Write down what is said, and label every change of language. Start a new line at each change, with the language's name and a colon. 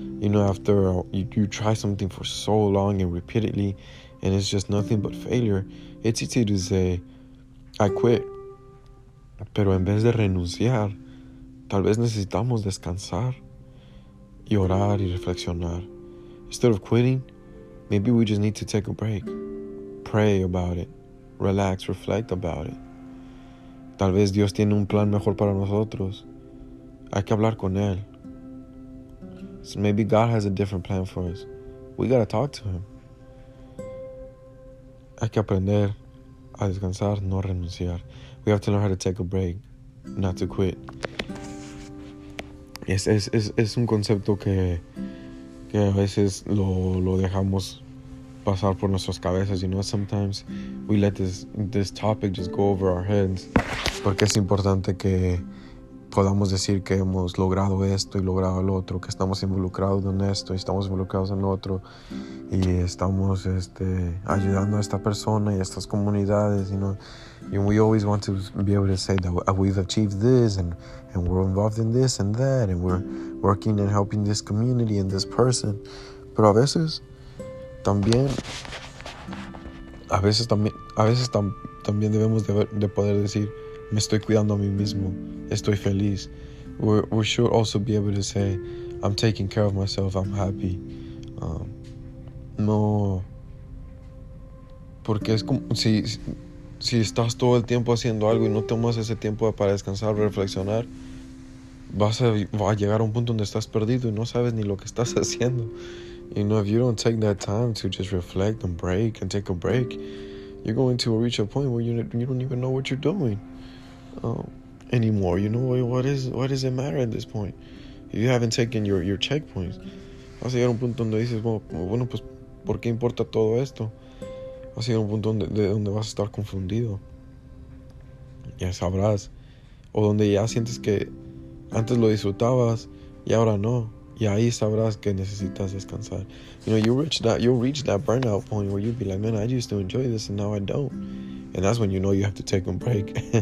English: After you try something for so long and repeatedly, and it's just nothing but failure, it's easy to say, I quit.
Spanish: Pero en vez de renunciar, tal vez necesitamos descansar y orar y reflexionar.
English: Instead of quitting, maybe we just need to take a break, pray about it, relax, reflect about it.
Spanish: Tal vez Dios tiene un plan mejor para nosotros. Hay que hablar con Él.
English: So maybe God has a different plan for us. We gotta talk to Him.
Spanish: Hay que aprender a descansar, no renunciar.
English: We have to learn how to take a break, not to quit.
Spanish: Es un concepto que a veces lo dejamos pasar por nuestras cabezas.
English: Sometimes we let this topic just go over our heads.
Spanish: Porque es importante que podamos decir que hemos logrado esto y logrado lo otro, que estamos involucrados en esto y estamos involucrados en lo otro y estamos ayudando a esta persona y a estas comunidades y no
English: And we always want to be able to say that we've achieved this, and we're involved in this and that, and we're working and helping this community and this person.
Spanish: Pero a veces también debemos de poder decir, me estoy cuidando a mí mismo, estoy feliz.
English: We should also be able to say, I'm taking care of myself, I'm happy.
Spanish: No, porque es como si estás todo el tiempo haciendo algo y no tomas ese tiempo para descansar, reflexionar, va a llegar a un punto donde estás perdido y no sabes ni lo que estás haciendo.
English: You know, if you don't take that time to just reflect and break and take a break, you're going to reach a point where you don't even know what you're doing anymore. You know, what does it matter at this point? If you haven't taken your checkpoints,
Spanish: vas a llegar a un punto donde dices, bueno, pues, ¿por qué importa todo esto? Va a ser un punto donde vas a estar confundido. Ya sabrás. O donde ya sientes que antes lo disfrutabas y ahora no. Y ahí sabrás que necesitas descansar.
English: You know, you reach that burnout point where you'd be like, man, I used to enjoy this and now I don't. And that's when you know you have to take a break.